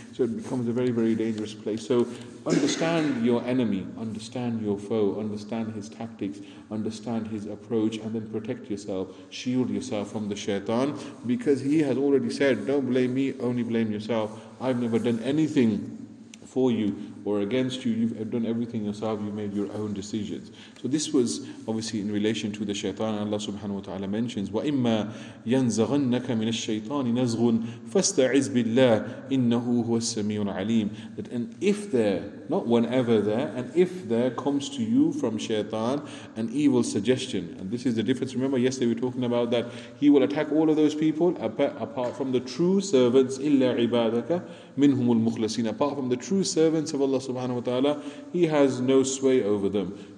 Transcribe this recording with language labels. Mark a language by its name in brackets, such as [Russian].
[English] So it becomes a very, very dangerous place. So understand your enemy, understand your foe, understand his tactics, understand his approach, and then protect yourself, shield yourself from the shaitan, because he has already said, don't blame me, only blame yourself. I've never done anything for you or against you. You've done everything yourself, you've made your own decisions. So this was obviously in relation to the shaitan. Allah subhanahu wa ta'ala mentions, [Arabic] وَإِمَّا يَنْزَغَنَّكَ مِنَ الشَّيْطَانِ نَزْغٌ فَاسْتَعِذْ بِاللَّهِ إِنَّهُ هُوَ السَّمِيعُ الْعَلِيمُ. [English] That, and if there not whenever there, and if there comes to you from shaitan an evil suggestion. And this is the difference. Remember yesterday we were talking about that he will attack all of those people apart from the true servants, [Arabic] illa ibadaka minhumul mukhlasin, [English] apart from the true servants of Allah subhanahu wa ta'ala, he has no sway over them.